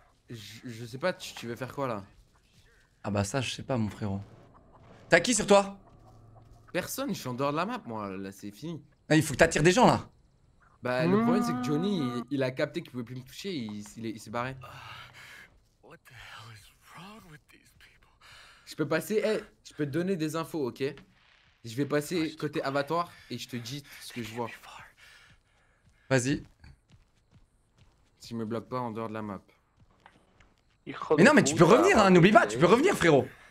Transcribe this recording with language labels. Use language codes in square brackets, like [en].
[fr] Je sais pas, tu veux faire quoi là? Ah bah ça, je sais pas mon frérot. T'as qui sur toi? Personne, je suis en dehors de la map moi, là c'est fini. Il faut que t'attires des gens là. Bah le problème c'est que Johnny il a capté qu'il pouvait plus me toucher et il s'est barré. [en] What the hell is wrong with these people? [fr] Je peux passer, je peux te donner des infos, ok? Je vais passer côté abattoir et je te dis ce que je vois. Vas-y. Si je me bloque pas en dehors de la map. Mais non mais tu peux revenir hein, n'oublie pas, tu peux revenir frérot.